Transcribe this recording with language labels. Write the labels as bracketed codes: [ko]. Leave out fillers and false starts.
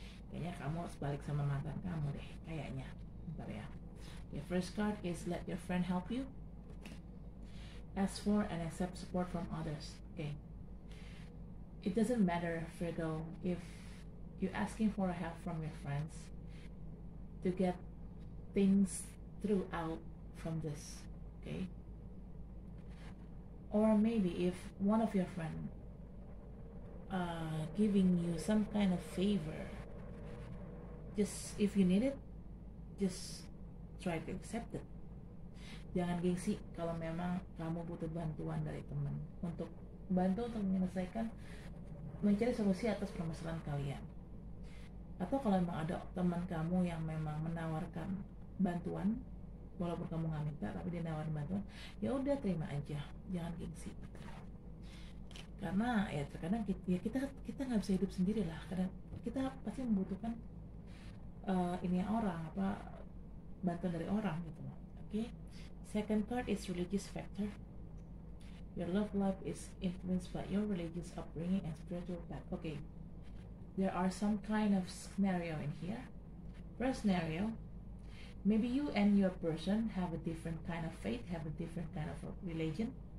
[id] Kayaknya kamu harus balik sama mantan kamu deh. Kayaknya. Bentar ya. [en] Your first card is let your friend help you. Ask for and accept support from others. Okay. It doesn't matter, Virgo, if you're asking for help from your friends to get things throughout from this. Okay. Or maybe if one of your friends giving you some kind of favor, just if you need it, just try to accept it. [id] Jangan gengsi kalau memang kamu butuh bantuan dari teman untuk bantu untuk menyelesaikan mencari solusi atas permasalahan kalian. Atau kalau memang ada teman kamu yang memang menawarkan bantuan, walaupun kamu nggak minta, tapi dia nawar bantuan, ya udah terima aja, jangan gengsi. Karena ya terkadang kita, ya kita nggak bisa hidup sendiri lah. Karena kita pasti membutuhkan ini orang, apa bantuan dari orang gitu. [en] Okay. Second card is religious factor. Your love life is influenced by your religious upbringing and spiritual path. Okay. There are some kind of scenario in here. First scenario. Maybe you and your person have a different kind of faith, have a different kind of religion.